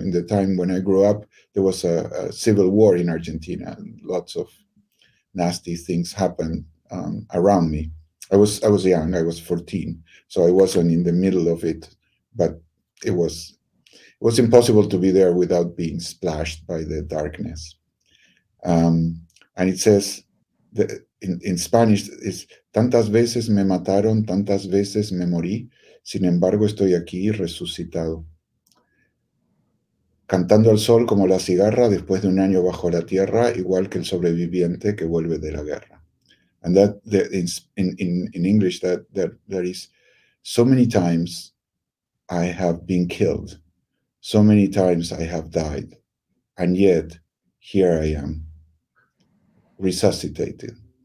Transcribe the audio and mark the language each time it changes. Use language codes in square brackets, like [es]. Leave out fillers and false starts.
[en] In the time when I grew up, there was a civil war in Argentina, and lots of nasty things happened around me. I was young, I was 14, so I wasn't in the middle of it, but it was impossible to be there without being splashed by the darkness. And it says, in Spanish, it's [es] tantas veces me mataron, tantas veces me morí, sin embargo estoy aquí resucitado. Cantando al sol como la cigarra después de un año bajo la tierra, igual que el sobreviviente que vuelve de la guerra. [en] And that in English, that is, so many times I have been killed, so many times I have died, and yet here I am, resuscitated.